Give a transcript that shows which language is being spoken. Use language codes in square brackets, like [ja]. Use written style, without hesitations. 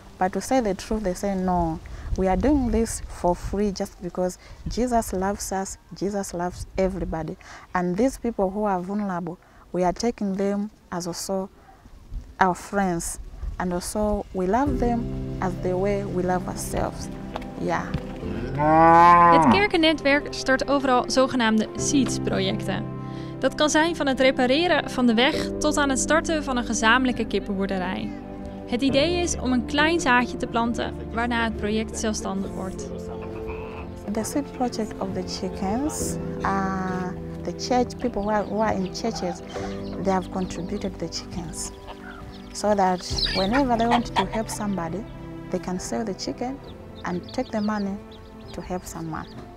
[en] But to say the truth, they say no, we are doing this for free just because Jesus loves us, Jesus loves everybody. And these people who are vulnerable, we are taking them as also our friends. And also we love them as the way we love ourselves. Yeah. [nl] Het kerkennetwerk start overal zogenaamde seeds-projecten. Dat kan zijn van het repareren van de weg tot aan het starten van een gezamenlijke kippenboerderij. Het idee is om een klein zaadje te planten waarna het project zelfstandig wordt. [en] The seed project of the chickens, the church people who are in churches, they have contributed the chickens. So that whenever they want to help somebody, they can sell the chicken and take the money to help someone.